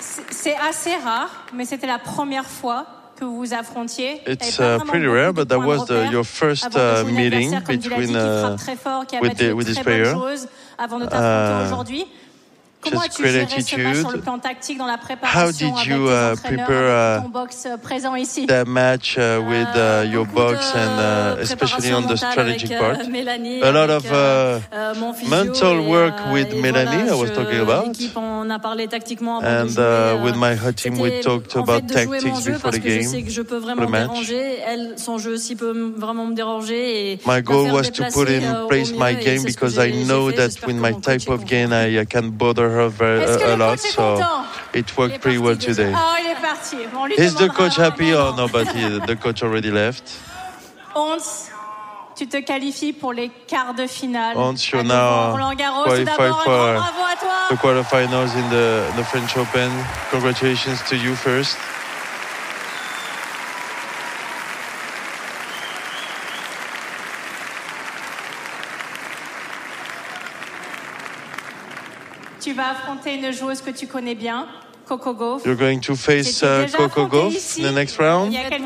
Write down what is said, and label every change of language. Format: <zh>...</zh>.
<fr>C'est assez rare, mais c'était la première fois que vous affrontiez.</fr> <en>It's pretty rare, but that was your first meeting between with this player.</en> <fr>Avant de t'affronter aujourd'hui, comment as-tu géré ce match sur le plan tactique dans la préparation?</fr> <en>How did you prepare the match with your box and especially on the strategic part? Mélanie, a lot of mental work with Mélanie.</en> <fr>Voilà,</fr> <en>I was talking about.</en> <fr>On a parlé tactiquement avant</fr> <en>and</en> <fr>de jouer,</fr> <en>with my hot team, we talked about tactics before the game. The match.</en> <fr>Elle, son jeu aussi peut vraiment me déranger.</fr> <en>My goal was to put in place my game because I know that with my type of game, I can bother her a lot. So it worked pretty well today. Is the coach happy or no? But the coach already left.</en> <fr>Tu te qualifies pour les quarts de finale.</fr> <en>Once you're now qualified for the quarterfinals in the French Open. Congratulations to you first.</en> <fr>Tu vas affronter une joueuse que tu connais bien. Coco Gauff.</fr> <en>You're going to face Coco Gauff in the next round.</en>